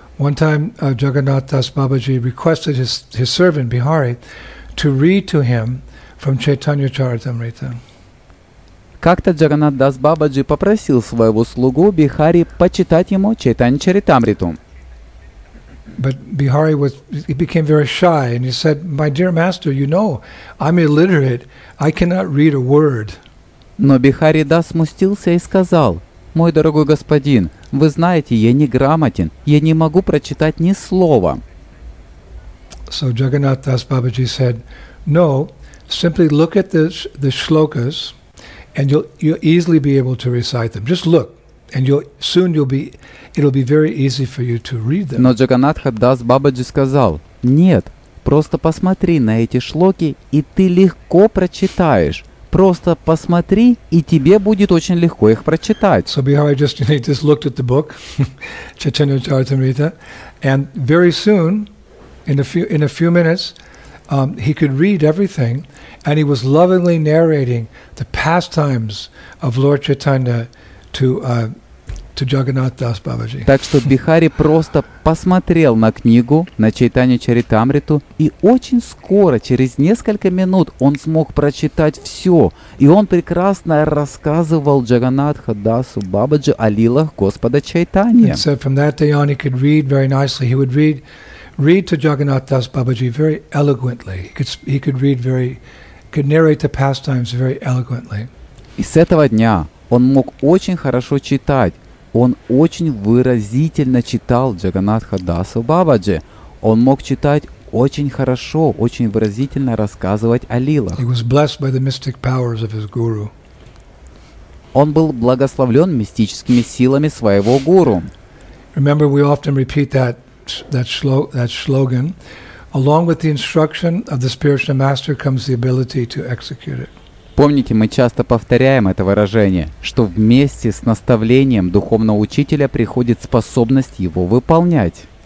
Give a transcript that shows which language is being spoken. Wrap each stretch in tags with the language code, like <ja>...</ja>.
<en>One time Jagannath Das Babaji requested his servant Bihari to read to him from Chaitanya Charitamrita.</en> <ru>Как-то Джаганнат Дас Бабаджи попросил своего слугу Бихари почитать ему Чайтанья Чаритамриту.</ru> <en>But Bihari became very shy and he said, "My dear master, you know, I'm illiterate. I cannot read a word."</en> <ru>Но Бихари Дас смутился и сказал: "Мой дорогой господин, вы знаете, я неграмотен. Я не могу прочитать ни слова."</ru> <en>So Jagannath Das Babaji said, no, simply look at the shlokas and you'll easily be able to recite them. Just look. And it'll be very easy for you to read them.</en> <ru>Но Джаганнатха Дас Бабаджи сказал: "Нет, просто посмотри на эти шлоки, и ты легко прочитаешь. Просто посмотри, и тебе будет очень легко их прочитать."</ru> <en>So Bihari just looked at the book, Chaitanya Charitamrita, and very soon, in a few minutes, he could read everything, and he was lovingly narrating the pastimes of Lord Chaitanya to Jagannath Das Babaji.</en> <ru>Так что Бихари просто посмотрел на книгу, на Чайтанья Чаритамриту, и очень скоро, через несколько минут, он смог прочитать все, и он прекрасно рассказывал Джаганнатха Дасу Бабаджи о лилах Господа Чайтанья.</ru> <en>And so from that day on he could read very nicely. He would read to Jagannath Das Babaji very eloquently. He could narrate the pastimes very eloquently.</en> <ru>И с этого дня он мог очень хорошо читать. Он очень выразительно читал Джаганнатха Дасу Бабаджи. Он мог читать очень хорошо, очень выразительно рассказывать о лилах.</ru> <en>He was blessed by the mystic powers of his guru.</en> <ru>Он был благословлен мистическими силами своего гуру.</ru> <en>Remember, we often repeat that slogan. Along with the instruction of the spiritual master comes the ability to execute it.</en> <ru>Помните, мы часто повторяем это выражение, что вместе с наставлением духовного учителя приходит способность его выполнять.</ru>